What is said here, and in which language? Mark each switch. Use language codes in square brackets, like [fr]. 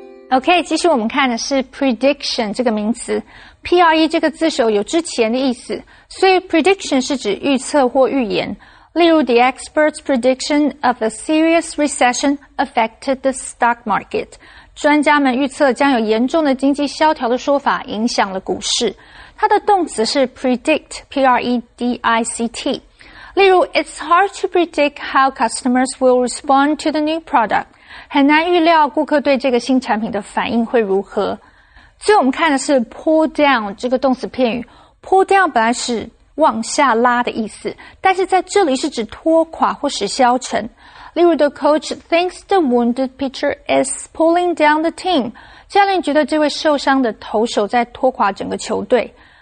[zh] OK, 继续我们看的是 prediction 这个名词。PRE 这个字首有之前的意思，所以 prediction 是指预测或预言。例如 [en] ,the experts' prediction of a serious recession affected the stock market. [zh] 专家们预测将有严重的经济萧条的说法影响了股市。它的动词是 predict,PREDICT。例如 [en] ,it's hard to predict how customers will respond to the new product. [zh] 很难预料顾客对这个新产品的反应会如何。所以我们看的是 pull down 这个动词片语。pull down 本来是往下拉的意思，但是在这里是指拖垮或使消沉。例如 [en] ,the coach thinks the wounded pitcher is pulling down the team. [zh] 教练觉得这位受伤的投手在拖垮整个球队。